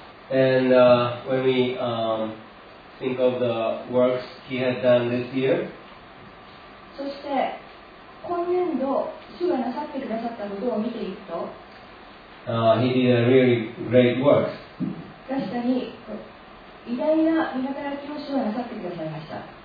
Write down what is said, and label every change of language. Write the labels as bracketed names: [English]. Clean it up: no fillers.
[English] And when we think of the works he had done this year, [Japanese] そして今年度主がなさってくださったことを見ていくと。 [English] He did a really great work. [Japanese] 確かに偉大な御働きを主はなさってくださいました。